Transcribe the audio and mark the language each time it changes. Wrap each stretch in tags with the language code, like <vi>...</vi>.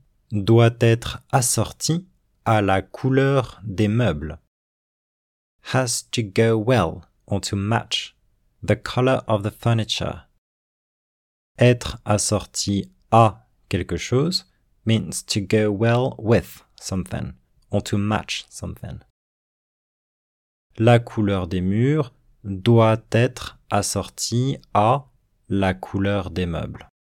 <fr>doit être assortie à la couleur des meubles.</fr> <en>Has to go well or to match the color of the furniture.</en> <fr>Être assorti à quelque chose</fr> <en>means to go well with something or to match something.</en> <fr>La couleur des murs doit être assortie à la couleur des meubles.</fr>